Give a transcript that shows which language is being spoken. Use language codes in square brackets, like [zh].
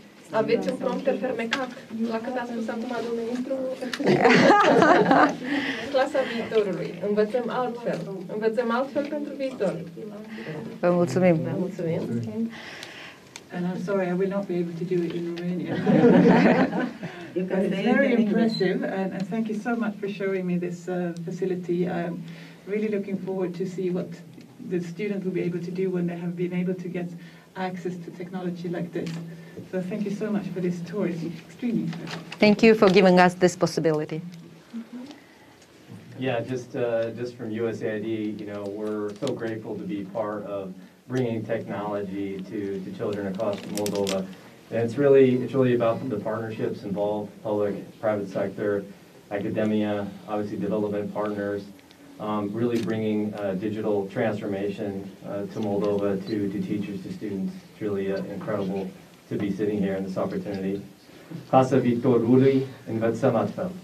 [ro] Aveți un prompter fermecat, la cât a spus acum domnul ministru. Clasa viitorului. Învățăm altfel. Învățăm altfel pentru viitor. Vă mulțumim. Vă mulțumim. [en] And I'm sorry, I will not be able to do it in Romania. It's very impressive, and thank you so much for showing me this facility. I'm really looking forward to see what the students will be able to do when they have been able to get access to technology like this. So thank you so much for this tour. It's extremely fun. Thank you for giving us this possibility. Yeah, just from USAID, you know, we're so grateful to be part of bringing technology to children across Moldova. And it's really about the partnerships involved, public, private sector, academia, obviously development partners, really bringing digital transformation to Moldova, to teachers, to students. It's really incredible to be sitting here in this opportunity. [ro] Clasa viitorului, învățăm altfel.